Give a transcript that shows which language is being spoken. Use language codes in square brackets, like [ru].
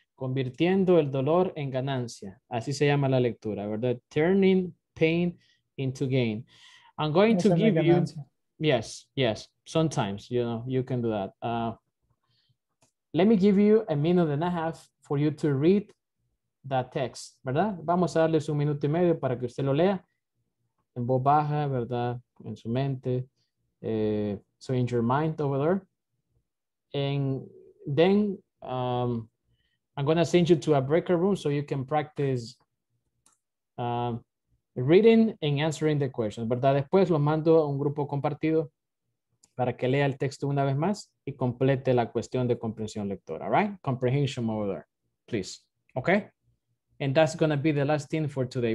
[es] Convirtiendo el dolor en ganancia. Así se llama la lectura, ¿verdad? [en] Turning pain into gain. I'm going to give you, yes, yes, sometimes, you know, you can do that. Let me give you a minute and a half for you to read that text, [es] ¿verdad? Vamos a darles un minuto y medio para que usted lo lea en voz baja, ¿verdad? En su mente. [en] So in your mind over there. And then I'm going to send you to a breakout room so you can practice reading and answering the questions, [es] ¿verdad? Después los mando a un grupo compartido para que lea el texto una vez más y complete la cuestión de comprensión lectora, [en] right? Comprehension over there, please. Okay? And that's going to be the last thing for today.